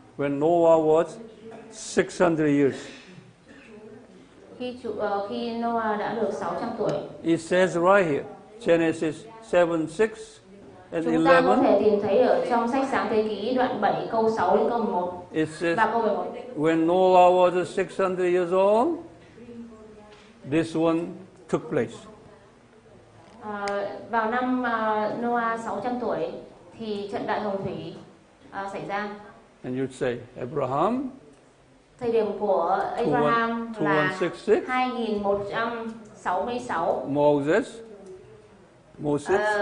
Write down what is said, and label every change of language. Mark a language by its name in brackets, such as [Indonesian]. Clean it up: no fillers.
[English] When Noah was 600 years. [Vietnamese] Khi Noah đã được 600 tuổi. [English] It says right here, Genesis 7, 6 and 11. [Vietnamese] Chúng ta có thể tìm thấy ở trong sách Sáng Thế Ký đoạn 7 câu 6 đến câu 11. [English] It says, when Noah was 600 years old, this one took place. [Vietnamese] Vào năm Noah 600 tuổi thì trận đại hồng thủy xảy ra. [English] And you'd say Abraham. [Vietnamese] Thời điểm của Abraham 2166. 2166. [English] Moses. Moses.